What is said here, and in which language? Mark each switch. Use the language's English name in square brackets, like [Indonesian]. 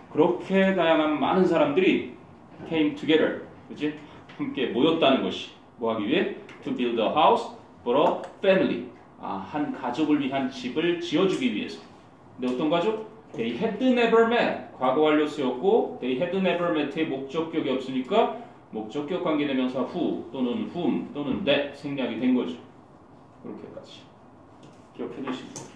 [Korean] 그렇게 다양한 많은 사람들이 [English] came together. [Korean] 그치? 함께 모였다는 것이. 뭐 하기 위해? [English] To build a house for a family. [Korean] 아, 한 가족을 위한 집을 지어주기 위해서. 근데 어떤 가족? [English] They had never met. [Korean] 과거 완료 쓰였고, [English] they had never met [Korean] 의 목적격이 없으니까, 목적격 관계되면서 who 또는 whom 또는 that 생략이 된 거죠. 그렇게까지 기억해 두시고.